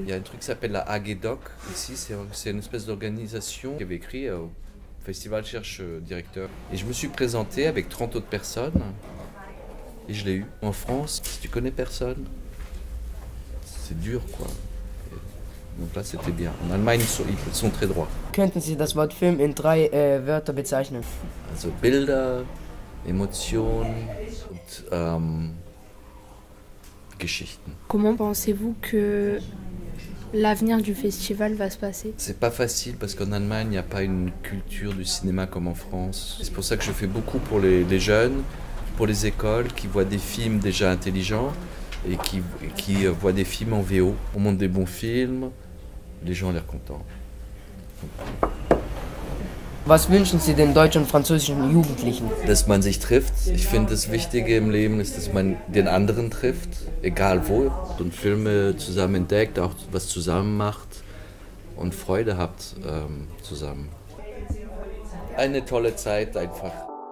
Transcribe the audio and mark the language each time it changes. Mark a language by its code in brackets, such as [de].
[fr] Il y a un truc qui s'appelle la AGEDOC, ici c'est une espèce d'organisation qui avait écrit au festival cherche directeur. Et je me suis présenté avec 30 autres personnes et je l'ai eu. En France, si tu connais personne, c'est dur quoi. Donc là c'était bien. En Allemagne ils sont très droits. [de] Könnten Sie das Wort Film in drei Wörter bezeichnen? Also Bilder, Emotion und Geschichten. [fr] Comment pensez-vous que l'avenir du festival va se passer? C'est pas facile parce qu'en Allemagne il n'y a pas une culture du cinéma comme en France. Et c'est pour ça que je fais beaucoup pour les jeunes, pour les écoles qui voient des films déjà intelligents et qui voient des films en VO. On monte des bons films, les gens ont l'air contents. [de] Was wünschen Sie den deutschen und französischen Jugendlichen? Dass man sich trifft. Ich finde, das Wichtige im Leben ist, dass man den anderen trifft, egal wo, und Filme zusammen entdeckt, auch was zusammen macht und Freude habt zusammen. Eine tolle Zeit einfach.